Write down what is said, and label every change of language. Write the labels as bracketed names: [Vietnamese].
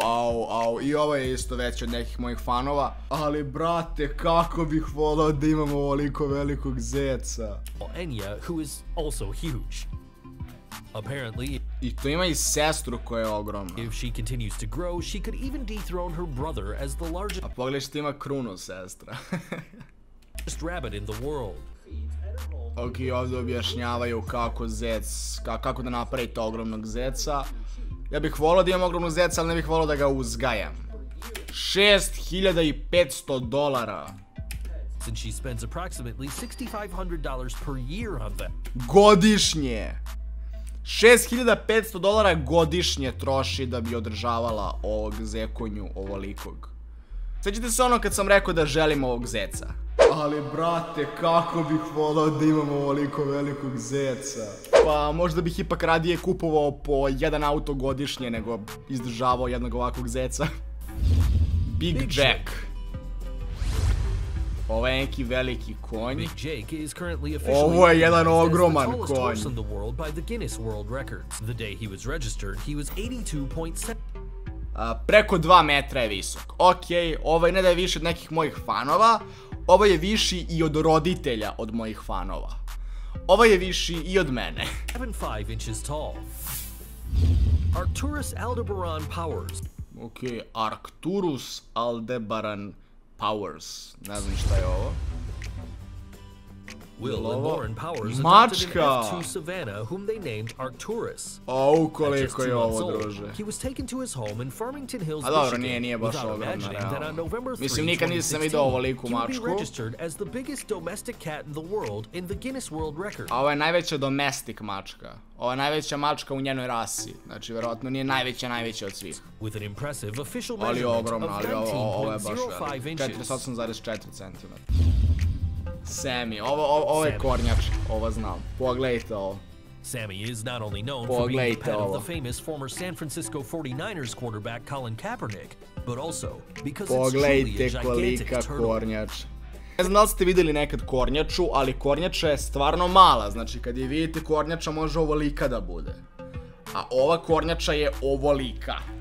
[Bosnian] Au. I ovo je isto veće od nekih mojih fanova. Ali brate, kako bih volao da imam ovoliko velikog Zeca. [English] Enya, who is also huge. Apparently, [Bosnian] i to ima i sestru koja je ogromna. [English] If she continues to grow, she could even dethrone her brother as the largest. [Bosnian] A pogledaj što ima krunu sestra. [English] Rabbit in the world. [Bosnian] Ok, ovdje objašnjavaju kako da napravite ogromnog zeca. Ja bih volio da imam ogromnog zeca, ali ne bih volio da ga uzgajam. $6,500. [English] Since she spends approximately $6,500 per year on them. [Bosnian] Godišnje. $6,500 godišnje troši da bi održavala ovog zekonju ovolikog. Sjećate se ono kad sam rekao da želim ovog zeca? Ali brate, kako bih volao da imam ovoliko velikog zeca? Pa možda bih ipak radije kupovao po jedan auto godišnje nego izdržavao jednog ovakvog zeca. Big Jack. Ovo je neki veliki konj. [English] Big Jake is currently officially the in the world by the Guinness World Records. The day he was registered, he was 82.7. [Bosnian] Preko 2 metra je visok. Okej, ovo je ne da je više od nekih mojih fanova. Ovo je viši i od roditelja od mojih fanova. Ovo je viši i od mene. [English] 75 inches tall. Arcturus Aldebaran Powers. [Bosnian] Okej, Arcturus Aldebaran Powers. Ne znam šta je ovo. Will and Lauren Powers mačka. [English] Adopted an F2 Savannah, whom they named Arcturus. [Bosnian] Au, koliko je ovo, druže. [English] He was taken to his home in Farmington Hills, Michigan. [Bosnian] A dobro, nije baš ogromno, realno. Mislim, nikad nisam vidio ovoliku mačku. [English] He registered as the biggest domestic cat in the world in the Guinness World Record. [Bosnian] A ovo je najveća domestic mačka. Ovo je najveća mačka u njenoj rasi. Znači, verovatno nije najveća od svih. [English] With an impressive official measurement of 19.05 inches. [Bosnian] 48.4 cm. Sammy, ovo je kornjač, ovo znam. Pogledajte ovo. [English] Sammy is not only known for being the pet of the famous former San Francisco 49ers quarterback Colin Kaepernick, but also because it's truly a gigantic turtle. [Bosnian] Pogledajte kolika kornjač. Ne znam da li ste vidjeli nekad kornjaču, ali kornjača je stvarno mala. Znači, kad je vidite kornjača, može ovolika da bude. A ova kornjača je ovolika.